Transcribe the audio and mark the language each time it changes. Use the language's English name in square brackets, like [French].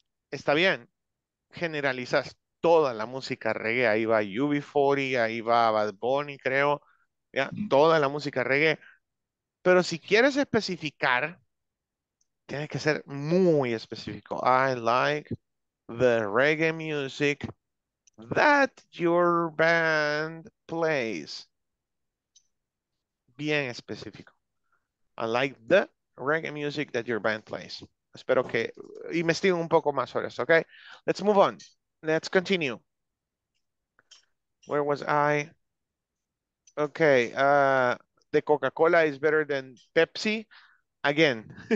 [Spanish] Está bien. Generalizas. Toda la música reggae, ahí va UB40, ahí va Bad Bunny, creo, ¿ya? Toda la música reggae. Pero si quieres especificar, tienes que ser muy específico. [English] I like the reggae music that your band plays. [Spanish] Bien específico. [English] I like the reggae music that your band plays. [Spanish] Espero que investiguen un poco más sobre esto, ¿ok? [English] Let's move on. Let's continue. Where was I? Okay. The Coca-Cola is better than Pepsi. Again.